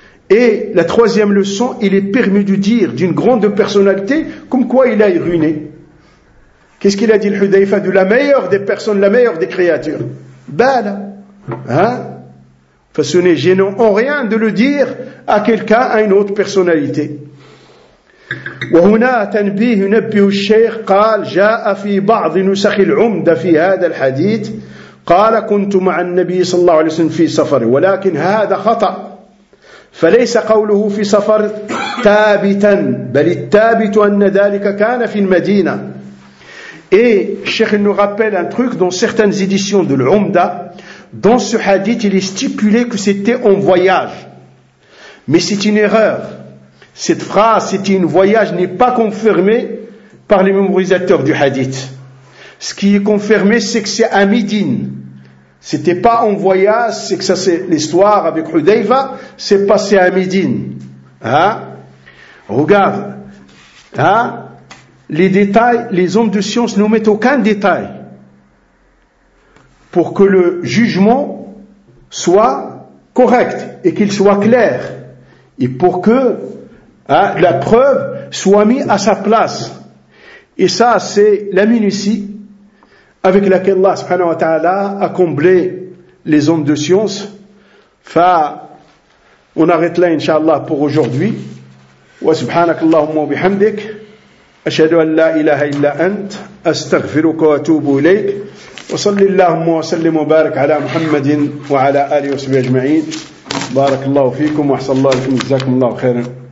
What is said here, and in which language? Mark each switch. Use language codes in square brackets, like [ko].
[fr] Et la troisième leçon, il est permis de dire d'une grande personnalité comme quoi il a uriné. Qu'est-ce qu'il a dit le Hudayfa de la meilleure des personnes, la meilleure des créatures? Bal. Hein? Enfin, ce n'est gênant en rien de le dire à quelqu'un, à une autre personnalité. [ar] وَهُنَا تَنْبِيهُ نَبِّهُ الشَّيْخ قَالْ جَاءَ فِي بَعْضِ نُسَخِ الْعُمْدَ فِي هَذَا الْحَدِيثِ قَالَ كُنْتُ مَعَ النَّبِيِّ صَلَّى اللَّهُ عَلَيْهِ وَسَلَّمَ فِي سَفَرِ وَلَكِنْ هَذَا خَطَأ فليس قوله في سفر ثابتا بل الثابت ان ذلك كان في المدينه. [fr] Et Cheikh nous rappelle un truc, dans certaines éditions de l'Umda, dans ce hadith il est stipulé que c'était en voyage, mais c'est une erreur. Cette phrase c'était un voyage n'est pas confirmée par les mémorisateurs du hadith. Ce qui est confirmé c'est que c'est à Médine. C'était pas en voyage, c'est que ça c'est l'histoire avec Hudayfa, c'est passé à Médine. Hein? Regarde. Hein? Les détails, les hommes de science ne mettent aucun détail pour que le jugement soit correct et qu'il soit clair. Et pour que, hein, la preuve soit mise à sa place. Et ça, c'est la minutie avec laquelle Allah [ar] subhanahu wa ta'ala [fr] a comblé les hommes de science. Fa, on arrête là, inshallah, pour aujourd'hui. [ar] Wa subhanakallahumma wa bihamdik. أشهد أن لا إله إلا أنت أستغفرك وأتوب إليك وصلي اللهم وسلم وبارك على محمد وعلى آله وصحبه أجمعين بارك الله فيكم وأحسن الله لكم جزاكم الله خيرا